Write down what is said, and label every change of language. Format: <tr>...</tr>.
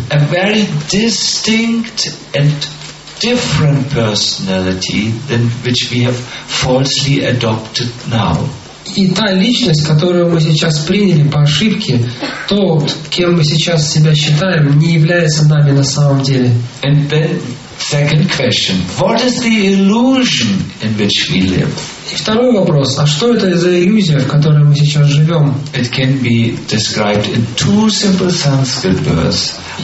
<en>A very distinct and different personality than which we have falsely adopted now.</en> <ru>И та личность, которую мы сейчас приняли по ошибке, то, кем мы сейчас себя считаем, не является нами на самом деле.</ru> <en>And then Second question: what is the illusion in which we live?</en> <ru>И второй вопрос: а что это за иллюзия, в которой мы сейчас живем?</ru> <en>It can be described in two simple Sanskrit words.</en>